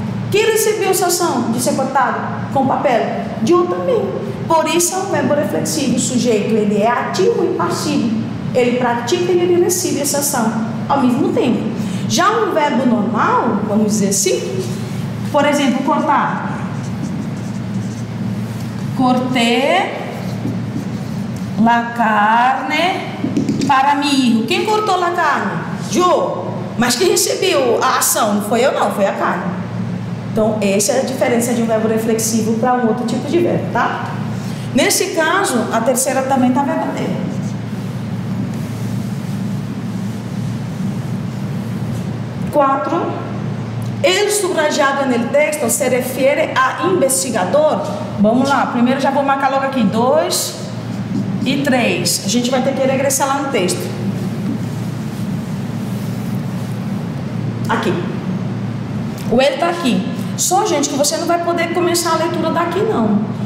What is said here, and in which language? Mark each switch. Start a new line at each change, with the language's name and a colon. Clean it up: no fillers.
Portuguese: Quem recebeu essa ação de ser cortado com papel? Jô também. Por isso é um verbo reflexivo. O sujeito, ele é ativo e passivo. Ele pratica e ele recebe essa ação ao mesmo tempo. Já um verbo normal, vamos dizer assim, por exemplo, cortar.
Spanish: Cortei la carne para mi hijo.
Portuguese: Quem cortou la carne? Jô. Mas quem recebeu a ação? Não foi eu, não. Foi a carne. Então, essa é a diferença de um verbo reflexivo para um outro tipo de verbo, tá? Nesse caso, a terceira também está verdadeira. Quatro.
Spanish: El subrayado en el texto se refiere a investigador.
Portuguese: Vamos lá. Primeiro, já vou marcar logo aqui. Dois. E três, a gente vai ter que regressar lá no texto. Aqui. O ele está aqui. Só, gente, que você não vai poder começar a leitura daqui, não.